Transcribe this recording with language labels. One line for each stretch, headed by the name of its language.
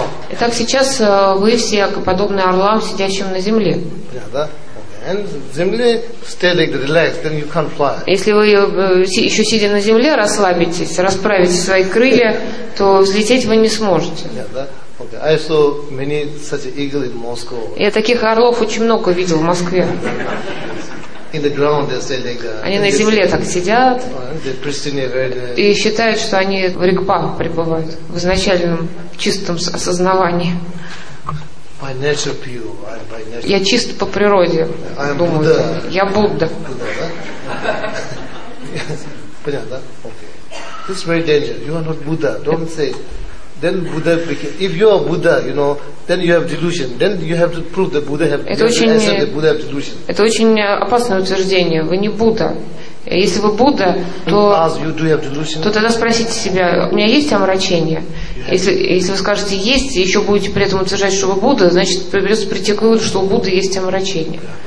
Russian: Итак, сейчас вы все подобны орлам, сидящим на земле. Если вы еще сидя на земле, расслабитесь, расправите свои крылья, то взлететь вы не сможете.
English: Okay. I saw many such eagles in Moscow.
Russian: Я таких орлов очень много видел в Москве.
English: In the ground they say like.
Russian: Они на земле так сидят.
English: They're pristine, very.
Russian: И считают, что они в ригпа пребывают в изначальном чистом осознавании.
English: By nature pure.
Russian: Я чист по природе.
English: I'm
Russian: думаю,
English: Buddha.
Russian: Я Будда. Понятно, да?
English: Okay. This is very dangerous. You are not Buddha. Don't say. Then Buddha, if you are Buddha, you know, then you have delusion. Then you have to prove that Buddha have.
Russian: Это очень
English: the Buddha have delusion.
Russian: Это очень опасное утверждение. Вы не Будда. Если вы Будда, то тогда спросите себя, у меня есть омрачение? Если вы скажете есть, и еще будете при этом утверждать, что вы Будда, значит придется прийти к выводу, что у Будды есть омрачение.